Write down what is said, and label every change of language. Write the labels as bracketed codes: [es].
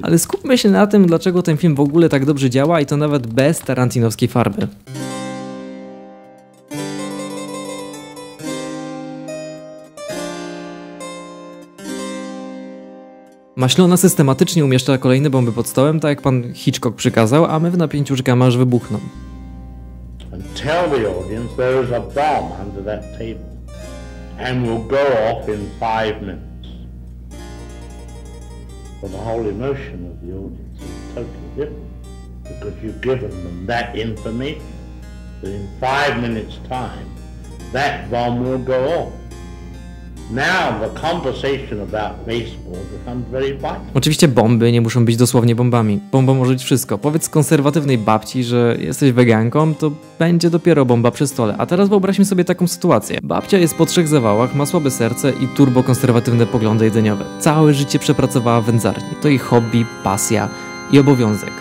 [pl] Ale skupmy się na tym, dlaczego ten film w ogóle tak dobrze działa i to nawet bez tarantinowskiej farby. Maślona systematycznie umieszcza kolejne bomby pod stołem, tak jak pan Hitchcock przykazał, a my w napięciu czekamy, aż wybuchną. [en] And tell the audience there is a bomb under that table and will go off in 5 minutes. But the whole emotion of the audience is totally different because you've given them that information that in 5 minutes time that bomb will go off. Now the conversation about baseball becomes very vital. [pl] Oczywiście bomby nie muszą być dosłownie bombami. Bombą może być wszystko. Powiedz konserwatywnej babci, że jesteś weganką, to będzie dopiero bomba przy stole. A teraz wyobraźmy sobie taką sytuację. Babcia jest po trzech zawałach, ma słabe serce i turbo konserwatywne poglądy jedzeniowe. Całe życie przepracowała w wędzarni. To jej hobby, pasja i obowiązek.